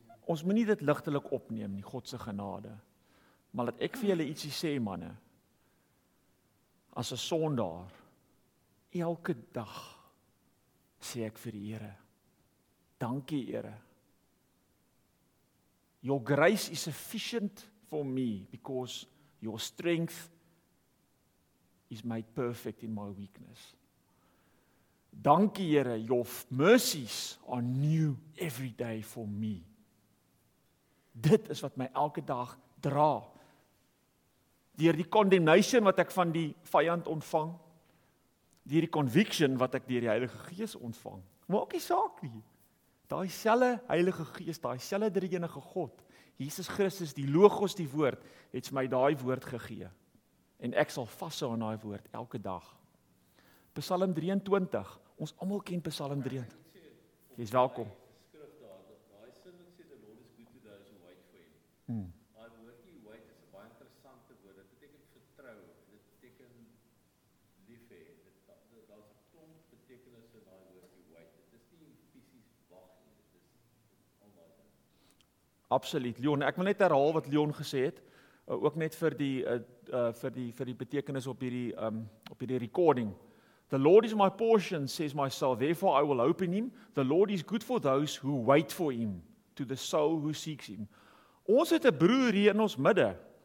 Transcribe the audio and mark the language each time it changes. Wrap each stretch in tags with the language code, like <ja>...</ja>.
<af>Ons moet nie dit ligtelik opneem nie, God se genade. Maar dat ek vir julle ietsie sê, manne, as 'n sondaar, elke dag sê ek vir die Here, dankie Here.</af> <en>Your grace is sufficient for me, because your strength is made perfect in my weakness.</en> <af>Dankie Here,</af> <en>your mercies are new every day for me.</en> <af>Dit is wat my elke dag dra. Deur die condemnation wat ek van die vyand ontvang, deur die conviction wat ek deur die Heilige Gees ontvang, maak nie saak nie. Daai selfe Heilige Gees, daai selfe drie-enige God, Jesus Christus, die Logos, die woord, het my daai woord gegee. En ek sal vashou aan daai woord elke dag. Psalm 23. Ons almal ken Psalm 23. Jy is welkom. Skrif daar, daai sin wat sê</af> <en>the Lord is good to those who wait for him.</en> <af>Daai woordjie wait is 'n baie interessante woord. Dit beteken vertrou, dit beteken lief hê. Daar's 'n klomp betekenisse in daai woordjie wait. Dit is nie fisies wag nie, dit is almal. Absoluut, Leon. Ek wil net herhaal wat Leon gesê het. Ook net vir die betekenis op hierdie recording.</af> <en>The Lord is my portion, says my soul. Therefore, I will hope in him. The Lord is good for those who wait for him, to the soul who seeks him.</en> <af>Ons het 'n broer hier in ons midde.</af>